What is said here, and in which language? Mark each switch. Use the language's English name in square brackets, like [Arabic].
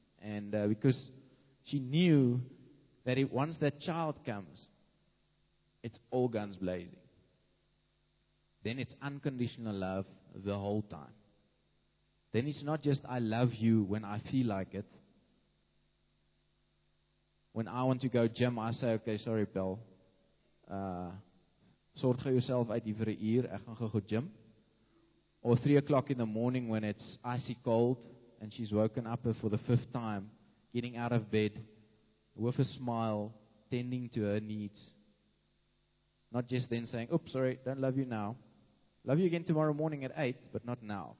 [English] And because she knew that once that child comes, it's all guns blazing. Then it's unconditional love the whole time. Then it's not just I love you when I feel like it. When I want to go gym, I say, okay, sorry, pal. Sort for yourself [Afrikaans] uit die vir 'n uur, ek gaan gou gym. [English] Or 3 o'clock in the morning when it's icy cold and she's woken up for the fifth time, getting out of bed with a smile, tending to her needs. Not just then saying, oops, sorry, don't love you now. Love you again tomorrow morning at 8, but not now.